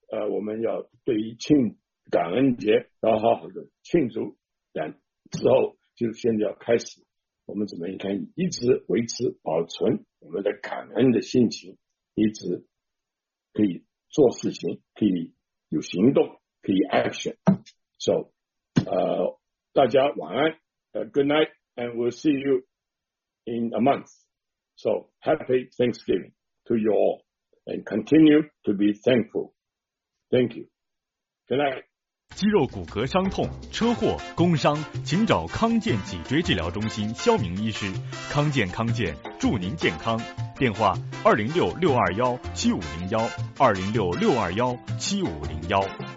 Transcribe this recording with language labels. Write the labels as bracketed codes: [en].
[zh] 我们要对于庆感恩节要好好的庆祝，然后就现在要开始我们怎么应该一直维持保存我们的感恩的心情，一直可以做事情，可以有行动，可以 action。 [en] So [zh] 大家晚安 [en] good night and we'll see you in a month. So happy Thanksgiving to you all and continue to be thankful. Thank you. Good night. [zh] 肌肉骨骼伤痛、车祸、工伤，请找康健脊椎治疗中心肖明医师。康健康健，祝您健康。电话206-621-7501，206-621-7501。